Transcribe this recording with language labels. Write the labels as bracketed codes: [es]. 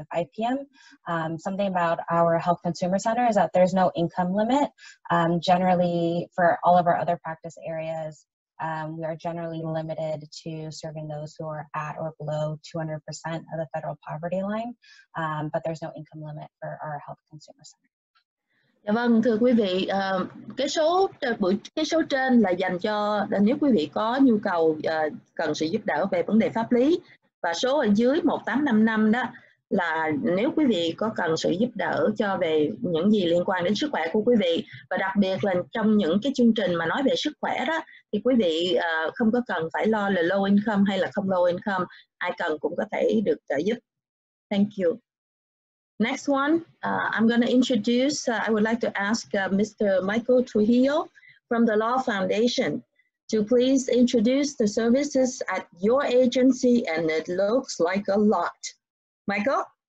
[en] to 5 p.m. Something about our Health Consumer Center is that there's no income limit. Generally, for all of our other practice areas, we are generally limited to serving those who are at or below 200% of the federal poverty line, but there's no income limit for our Health Consumer Center. [vi] Dạ vâng, thưa quý vị, cái số trên là dành cho nếu quý vị có nhu cầu cần sự giúp đỡ về vấn đề pháp lý, và số ở dưới 1855 đó là nếu quý vị có cần sự giúp đỡ cho về những gì liên quan đến sức khỏe của quý vị, và đặc biệt là trong những cái chương trình mà nói về sức khỏe đó, thì quý vị không có cần phải lo là low income hay là không low income, ai cần cũng có thể được trợ giúp. [en] Thank you. Next one, I'm going to introduce, I would like to ask Mr. Michael Trujillo from the Law Foundation to please introduce the services at your agency, and it looks like a lot. Michael?